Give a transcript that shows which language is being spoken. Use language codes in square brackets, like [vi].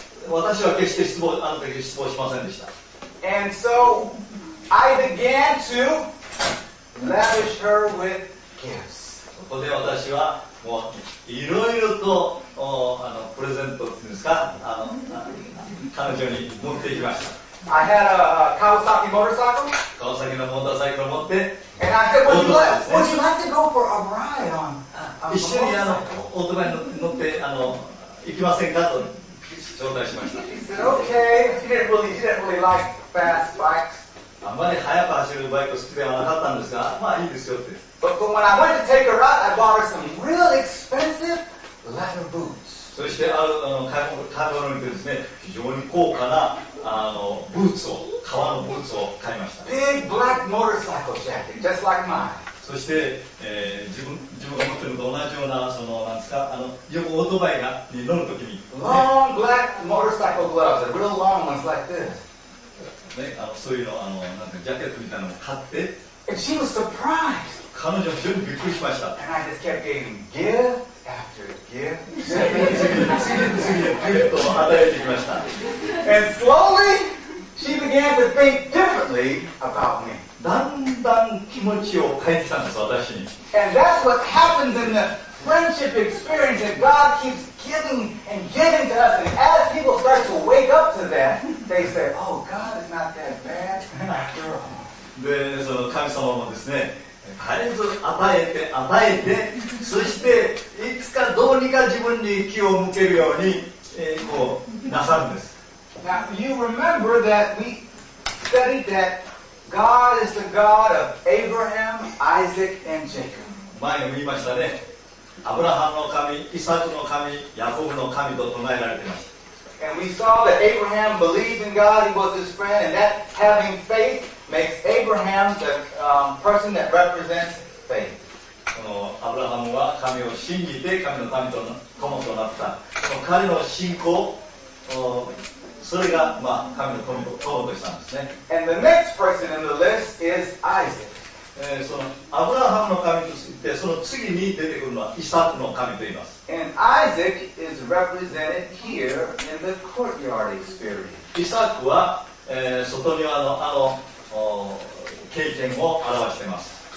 [ja] 私は決して失望、あの時失望しませんでした。 [en] And so I began to lavish her with gifts. [ja] そこで私はもういろいろとプレゼントっていうんですか彼女に持っていきました。 [en] I had a Kawasaki motorcycle. [ja] 川崎のモーターサイクルを持って。 [en] And I said, would you like to go for a ride on? [ja] 一緒にオートバイに乗って行きませんかと。招待しました。 [en] He said, okay. He didn't really like fast bikes. [ja] あんまり速く走るバイク好きではなかったんですが、まあいいですよって。 [en] But when I went to take her out, I bought her some real expensive leather boots. [ja] そしてある買い物に行ってですね、非常に高価なブーツを、革のブーツを買いました。 [en] Big black motorcycle jacket, just like mine. [ja] そして、自分が持っているのと同じようなそのなんですかよくオートバイがに乗るときに、ね、 [en] long black motorcycle gloves, the real long ones like this. [ja] ね、そういうのなんかジャケットみたいなのを買って、 [en] And she was surprised. [ja] 彼女は非常にびっくりしました。 [en] And I just kept giving gift after gift. [ja] 次々にギフトを与えてきました。 [en] And slowly, she began to think differently about me. [ja] だんだん気持ちを変えてたんです私に。 [en] And that's what happens in the friendship experience that God keeps giving and giving to us. And as people start to wake up to that, they say, "Oh, God is not that bad after all." [ja] で、その神様もですね、絶えず与えて、そしていつかどうにか自分に気を向けるようにこうなさるんです。 [en] Now you remember that we studied that. God is the God of Abraham, Isaac, and Jacob. [ja] 前も言いましたね。アブラハムの神、イサクの神、ヤコブの神と唱えられています。 [en] And we saw that Abraham believed in God, he was his friend, and that having faith makes Abraham the person that represents faith. [ja] のアブラハムは神を信じて神の民との友となった。その彼の信仰、それが、まあ、神の友としたんですね。 [en] And the next person in the list is Isaac. [ja] そのアブラハムの神についてその次に出てくるのはイサクの神と言います。 [en] And Isaac is represented here in the courtyard experience. [ja] イサクは、外庭のあの経験を表しています。